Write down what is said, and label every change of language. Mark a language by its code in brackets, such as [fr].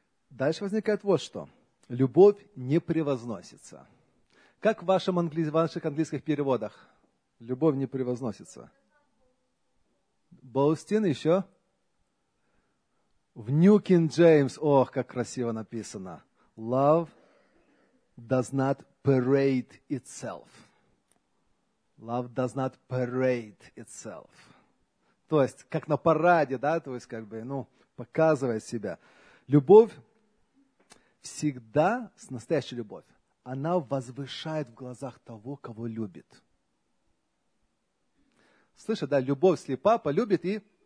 [ru] Дальше возникает вот что. Любовь не превозносится. Как в ваших английских переводах? Любовь не превозносится. Boasting еще? В New King James, ох, как красиво написано. [en] Love does not parade itself. Love does not parade itself. [ru] То есть, как на параде, да, то есть, как бы, ну, показывает себя. Любовь всегда, настоящая любовь, она возвышает в глазах того, кого любит. Слышь, да, любовь слепа, полюбит и...